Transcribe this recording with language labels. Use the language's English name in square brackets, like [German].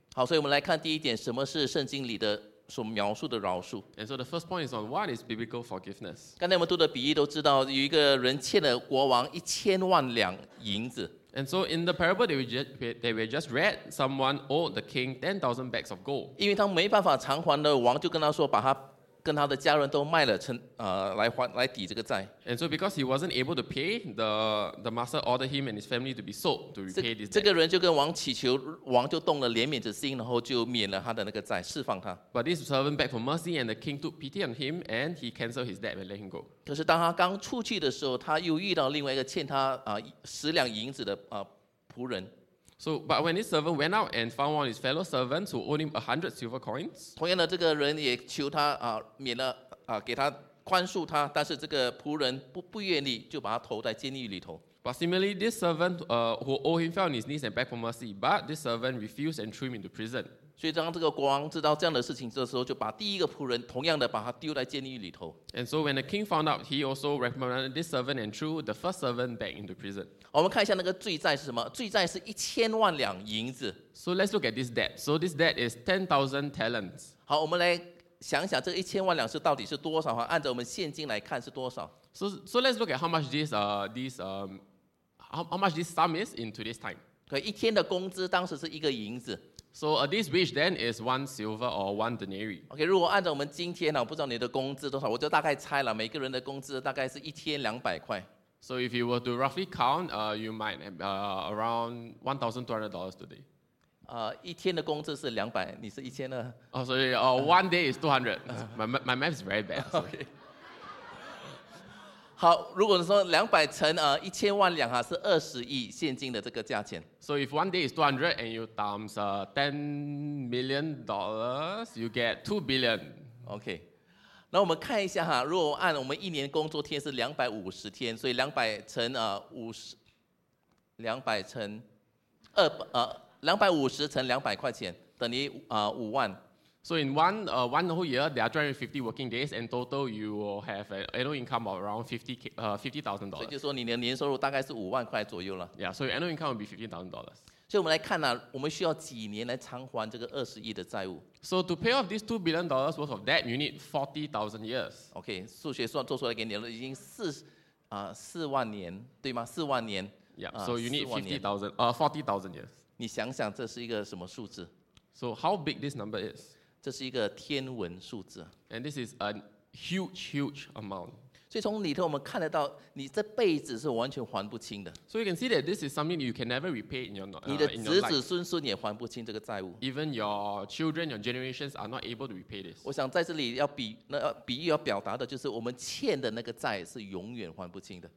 [Chinese] 好，所以我们来看第一点，什么是圣经里的所描述的饶恕。 [English] And so the first point is on what is biblical forgiveness. [Chinese] 刚才我们读的比喻都知道，有一个人欠了国王1000万两银子。 [English] And so in the parable that we just read, someone owed the king 10,000 bags of gold. [Chinese] 因为他没办法偿还的，王就跟他说，把他跟他的家人都卖了成来还来抵这个债。 [English] And so because he wasn't able to pay, the master ordered him and his family to be sold to repay this debt. [Chinese] 这个人就跟王祈求，王就动了怜悯之心，然后就免了他的那个债，释放他。 [English] But this servant begged for mercy, and the king took pity on him, and he canceled his debt and let him go. [Chinese] 可是当他刚出去的时候，他又遇到另外一个欠他十两银子的仆人。 [English] So, but when his servant went out and found one of his fellow servants who owed him 100 silver coins, [Chinese] 同样的，这个人也求他免了给他宽恕他，但是这个仆人不愿意，就把他投在监狱里头。 [English] But similarly, this servant who owed him fell on his knees and begged for mercy, but this servant refused and threw him into prison. [Chinese] 所以当这个国王知道这样的事情的时候，就把第一个仆人同样的把他丢在监狱里头。 [English] And so when the king found out, he also reprimanded this servant and threw the first servant back into prison. [Chinese] 我们看一下那个罪债是什么？罪债是1,000,000 银子。 [English] So let's look at this debt. So this debt is 10,000 talents. [Chinese] 好，我们来想想这一千万两是到底是多少啊？按照我们现金来看是多少 [English] ？So let's look at how much this sum is in today's time. [Chinese] 对，一天的工资当时是一个银子。 [English] So this wage then is 1 silver or 1 denarii. [Chinese] Okay, 如果按照我们今天不知道你的工资多少，我就大概猜了，每个人的工资大概是1,200块。 [English] So if you were to roughly count, you might around $1,200 today. [Chinese] 一天的工资是200，你是1,200。 [English] Oh, sorry. One day is 200. My math is very bad. So. Okay. [Chinese] 好，如果说200乘1,000,000两是20亿现金的这个价钱。 [English] So if one day is 200 and you times $10 million, you get $2 billion. Okay. [Chinese] 那我们看一下哈，如果按我们一年工作天是250天，所以250乘200块钱等于5万。 [English] So in one whole year, there are 350 working days, and total you will have an annual income of around $50,000. [Chinese] 所以就说你的年收入大概是5万块左右了。 [English] Yeah, so your annual income will be $15,000. [Chinese] 所以我们来看呢，我们需要几年来偿还这个二十亿的债务 [English] ？So to pay off this $2 billion worth of debt, you need 40,000 years. [Chinese] Okay, 数学算做出来给你了，已经四万年，对吗？四万年。 [English] Yeah, so you need 40,000 years. [Chinese] 你想想这是一个什么数字 [English] ？So how big this number is? [Chinese] 这是一个天文数字 [English] ，and this is a huge, huge amount. [Chinese] 所以从里头我们看得到，你这辈子是完全还不清的。 [English] So you can see that this is something you can never repay in your life. [Chinese] 你的子子孙孙也还不清这个债务。 [English] Even your children, your generations are not able to repay this. [Chinese] 我想在这里要比喻要表达的就是，我们欠的那个债是永远还不清的。